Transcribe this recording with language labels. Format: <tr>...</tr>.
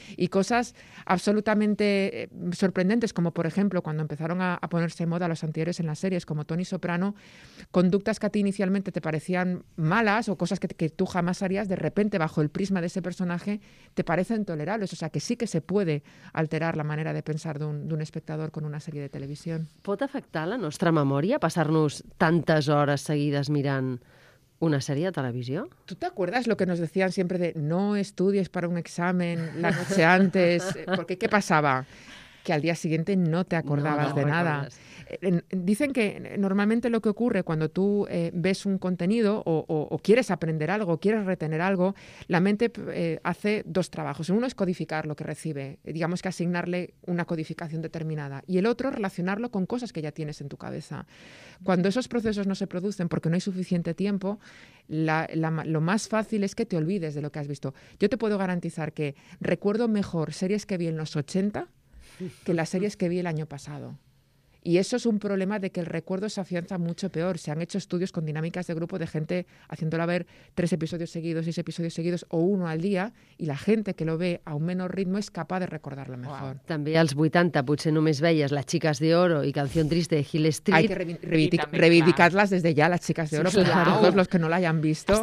<es>Y cosas absolutamente sorprendentes, como por ejemplo cuando empezaron a ponerse en moda los antihéroes en las series, como Tony Soprano, conductas que a ti inicialmente te parecían malas o cosas que tú jamás harías, de repente bajo el prisma de ese personaje te parecen tolerables. O sea, que sí que se puede alterar la manera de pensar de un espectador con una serie de televisión.</es> <ca>¿Pot afectar la nostra memòria passar-nos tantes hores seguides mirant una sèrie de televisió?</ca> <es>¿Tú te acuerdas lo que nos decían siempre de no estudies para un examen la noche antes? Porque ¿qué pasaba? Que al día siguiente no te acordabas de nada. Dicen que normalmente lo que ocurre cuando tú ves un contenido o quieres aprender algo, quieres retener algo, la mente hace dos trabajos. Uno es codificar lo que recibe, digamos que asignarle una codificación determinada. Y el otro, relacionarlo con cosas que ya tienes en tu cabeza. Cuando esos procesos no se producen porque no hay suficiente tiempo, lo más fácil es que te olvides de lo que has visto. Yo te puedo garantizar que recuerdo mejor series que vi en los 80 que las series que vi el año pasado. Y eso es un problema de que el recuerdo se afianza mucho peor. Se han hecho estudios con dinámicas de grupo de gente haciéndola ver 3 episodios seguidos, 6 episodios seguidos o 1 al día, y la gente que lo ve a un menor ritmo es capaz de recordarlo mejor. Wow.</es> <ca>També als 80 potser només veies Las chicas de oro i Canción triste de Hill Street.</ca> <es>Hay que reivindicar-las desde ya, Las chicas de oro, sí, para todos los que no la hayan visto.</es>